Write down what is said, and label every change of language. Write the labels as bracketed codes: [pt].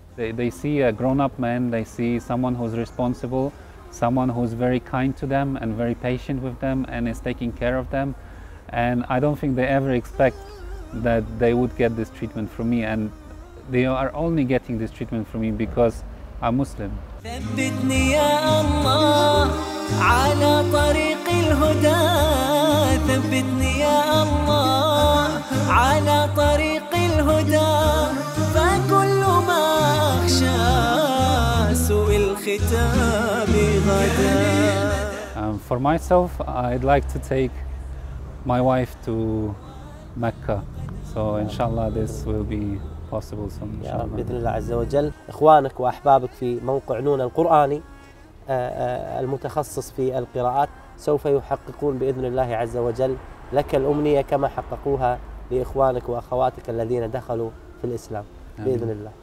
[en] They see a grown-up man, they see someone who's responsible, someone who's very kind to them and very patient with them and is taking care of them. And I don't think they ever expect that they would get this treatment from me. And they are only getting this treatment from me because I'm Muslim. [ar] ثبتني يا الله على طريق الهدى ثبتني يا الله على طريق الهدى فكل ما أخشى سوء الختام غدا. [en] For myself, I'd like to take my wife to Mecca. So inshallah this will be possible soon. [ar] يا رب بإذن الله عز وجل. إخوانك وأحبابك في موقع نون القرآني المتخصص في القراءات سوف يحققون بإذن الله عز وجل لك الأمنية كما حققوها لإخوانك وأخواتك الذين دخلوا في الإسلام بإذن الله.